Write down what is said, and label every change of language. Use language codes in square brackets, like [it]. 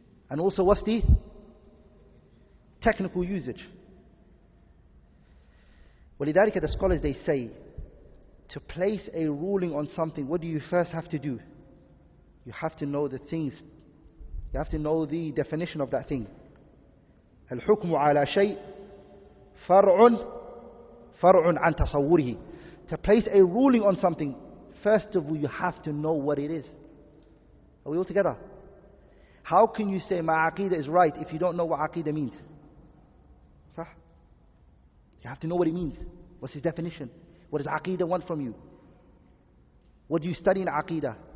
[en] And also what's the technical usage? ولذلك, the scholars, they say, to place a ruling on something, what do you first have to do? You have to know the things. You have to know the definition of that thing. [ar] الحكم على شيء فرع عن تصوره. [en] To place a ruling on something, first of all, you have to know what it is. Are we all together? How can you say my aqeedah is right if you don't know what aqeedah means? So You have to know what it means. What's his definition? What does Aqeedah want from you? What do you study in Aqeedah?